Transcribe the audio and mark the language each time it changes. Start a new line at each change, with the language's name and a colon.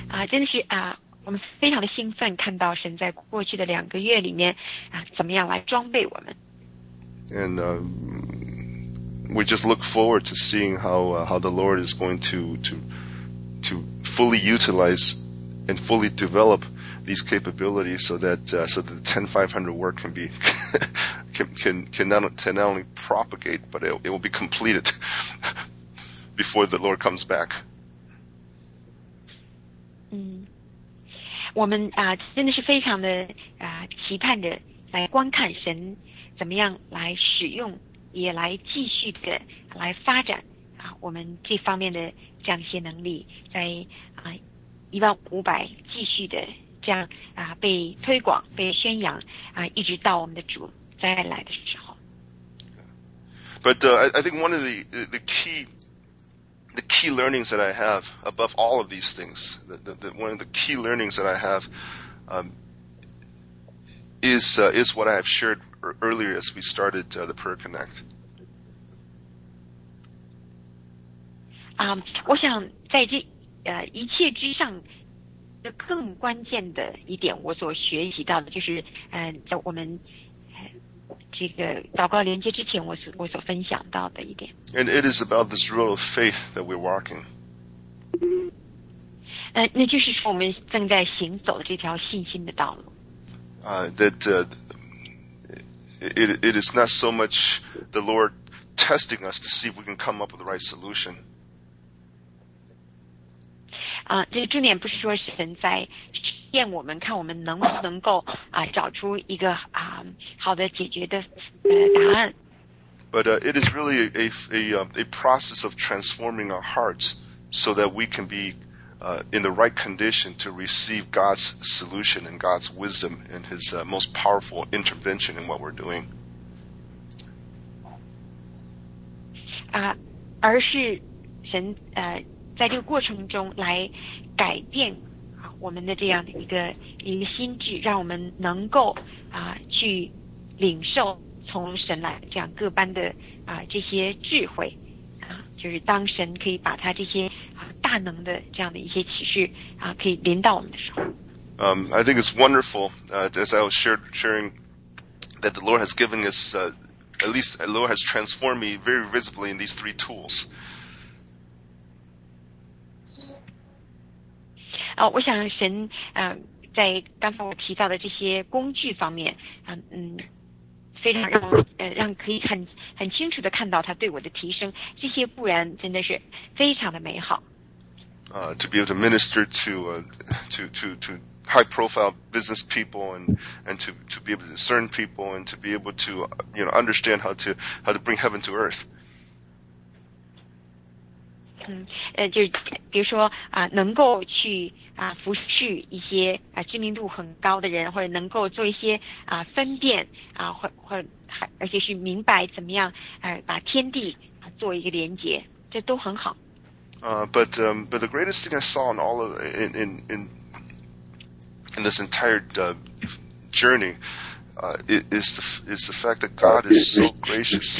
Chinese: 真的是我们非常的兴奋，看到神在过去的两个月里面怎么样来装备我们。
English: And we just look forward to seeing how the Lord is going to fully utilize and fully develop these capabilities so that the 10-500 work can be can not only propagate but it will be completed before the Lord comes back.
Chinese: 我们真的是非常的期盼的来观看神怎么样来使用。也来继续的来发展我们这方面的这样一些能力，在1500继续的这样被推广、被宣扬一直到我们的主再来的时候。
English: But I think one of the key learnings that I have above all of these things, one of the key learnings that I have is what I have shared earlier as we started the Prayer Connect.
Chinese: 我想在这一切之上的更关键的一点，我所学习到的就是在我们这个祷告连接之前我所分享到的一点。
English: And it is about this road of faith that we're walking.
Chinese: 那就是说我们正在行走这条信心的道路。
English: That it is not so much the Lord testing us to see if we can come up with the right solution.
Chinese: 这个重点不是说神在试验我们，看我们能不能够找出一个好的解决的答案。
English: But it is really a process of transforming our hearts so that we can be in the right condition to receive God's solution and God's wisdom and His most powerful intervention in what we're doing.
Chinese: 而是神在这个过程中来改变我们的这样的一个心智，让我们能够去领受从神来这样各般的这些智慧就是当神可以把他这些大能的这样的一些启示可以临到我们的时候。
English: I think it's wonderful, as I was sharing, that the Lord has given us, at least the Lord has transformed me very visibly in these three tools.
Chinese: 我想神在刚才我提到的这些工具方面非常让可以很清楚的看到他对我的提升，这些不然真的是非常的美好。
English: to be able to minister to high profile business people and to be able to discern people and to be able to, you know, understand how to bring heaven to earth.
Chinese: 就比如说能够去服侍一些知名度很高的人或者能够做一些分辨或而且去明白怎么样把天地做一个连接这都很好。
English: But the greatest thing I saw in all of in this entire journey is the fact that God is so gracious.